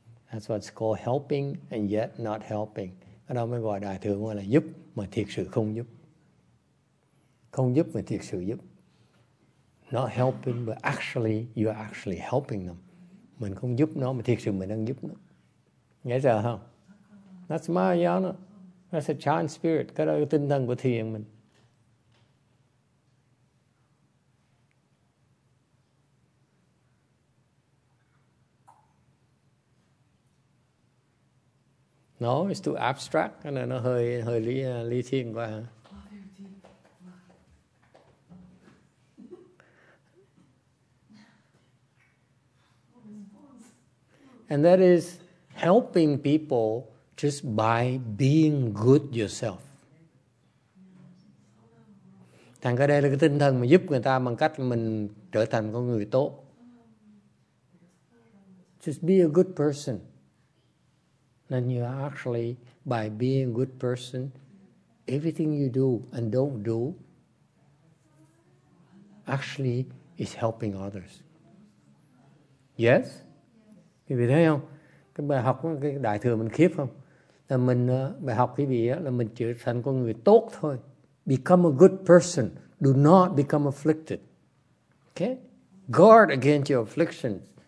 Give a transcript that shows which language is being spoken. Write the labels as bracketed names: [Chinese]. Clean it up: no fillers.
[English] That's what's called helping and yet not helping. [Vietnamese] Cái đó mới gọi đại thừa, gọi là giúp mà thiệt sự không giúp. không giúp mà thiệt sự giúp. [English] Not helping, but actually, you are actually helping them. [Vietnamese] Mình không giúp nó, mà thiệt sự mình đang giúp nó. Nghe giờ không? [English] That's Mahayana. That's a chan spirit. [Vietnamese] Cái đó là tinh thần của thiền mình. [English] No, it's too abstract. [Vietnamese] Cái này nó hơi lý thiền quá. Huh? [English] And that is helping people just by being good yourself. [Vietnamese] Thành cái đây là cái tinh thần mà giúp người ta bằng cách mình trở thành con người tốt. [English] Just be a good person. Then you actually, by being a good person, everything you do and don't do actually is helping others. [Vietnamese] Yes? Quý vị thấy không? Cái bài học cái đại thừa mình khiếp không? Là mình bài học quý vị là mình trở thành con người tốt thôi. [English] Become a good person. Do not become afflicted. Okay? Guard against your afflictions.